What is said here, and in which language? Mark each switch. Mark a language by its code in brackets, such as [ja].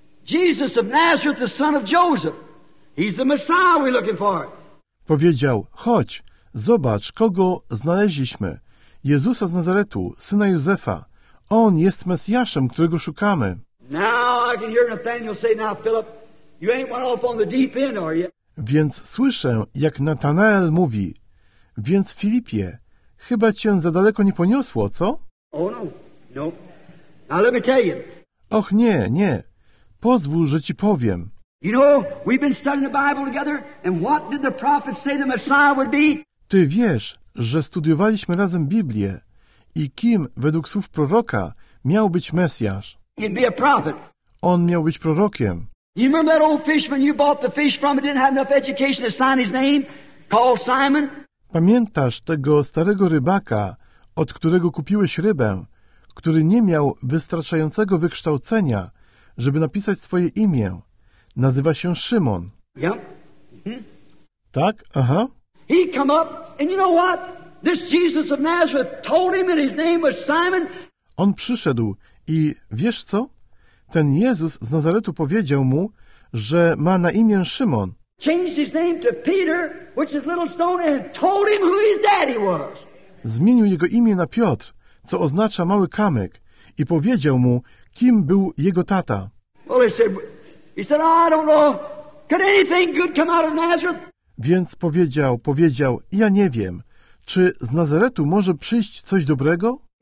[en] Jesus of Nazareth, the son of Joseph. He's the Messiah we're looking for." [pl] Powiedział: "Chodź, zobacz, kogo znaleźliśmy. Jezusa z Nazaretu, syna Józefa. On jest Mesjaszem, którego szukamy." [en] Now I can hear Nathaniel say, "Now Philip, you ain't went off on the deep end, are you?" [pl] Więc słyszę, jak Natanael mówi: "Więc Filipie, chyba cię za daleko nie poniosło, co?" [en] Oh no, no. Now let me tell you. [pl] Och nie, nie. Pozwól, że ci powiem. [en] You know, we've been studying the Bible together, and what did the prophet say the Messiah would be? [pl] Ty wiesz, że studiowaliśmy razem Biblię i kim, według słów proroka, miał być Mesjasz. [en] He'd be a prophet. [pl] On miał być prorokiem. [en] You remember that old fisherman you bought the fish from and didn't have enough education to sign his name, called Simon? [pl] Pamiętasz tego starego rybaka, od którego kupiłeś rybę, który nie miał wystarczającego wykształcenia, żeby napisać swoje imię? Nazywa się Szymon. [en] Yep. Mm-hmm. [pl] Tak? Aha. [en] He come up, and you know what? This Jesus of Nazareth told him that his name was Simon. [pl] On przyszedł i wiesz co? Ten Jezus z Nazaretu powiedział mu, że ma na imię Szymon. [en] Changed his name to Peter, which is little stone, and told him who his daddy was. [pl] Zmienił jego imię na Piotr, co oznacza mały kamyk, i powiedział mu, kim był jego tata. [en] Well, he said, "Oh, I don't know. Could anything good come out of Nazareth?" [pl] Więc powiedział, ja nie wiem, czy z Nazaretu może przyjść coś dobrego?